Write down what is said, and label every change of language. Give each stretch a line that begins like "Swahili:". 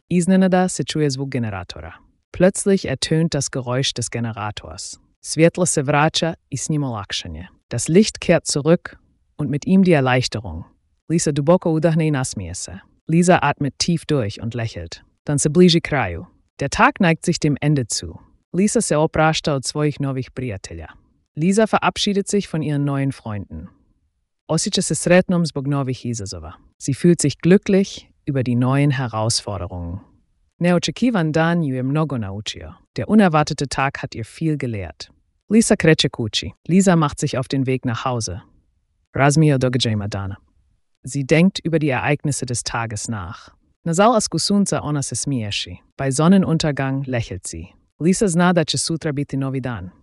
Croatian: Iznenada se čuje zvuk generatora.
German: Plötzlich ertönt das Geräusch des Generators.
Croatian: Svjetlo se vraća i s njim olakšanje.
German: Das Licht kehrt zurück und mit ihm die Erleichterung.
Croatian: Lisa duboko udahne i nasmije se.
German: Lisa atmet tief durch und lächelt.
Croatian: Dann se bliži kraju.
German: Der Tag neigt sich dem Ende zu.
Croatian: Lisa se oprašta od svojih novih prijatelja.
German: Lisa verabschiedet sich von ihren neuen Freunden.
Croatian: Osjeća se sretnom zbog novih izazova.
German: Sie fühlt sich glücklich über die neuen Herausforderungen.
Croatian: Neočekivan dan ju je mnogo naučio.
German: Der unerwartete Tag hat ihr viel gelehrt.
Croatian: Lisa kreće kući.
German: Lisa macht sich auf den Weg nach Hause.
Croatian: Razmija događajima dana.
German: Sie denkt über die Ereignisse des Tages nach.
Croatian: Na zalasku sunca ona se smiješi.
German: Bei Sonnenuntergang lächelt sie.
Croatian: Lisa zna da će sutra biti novi dan.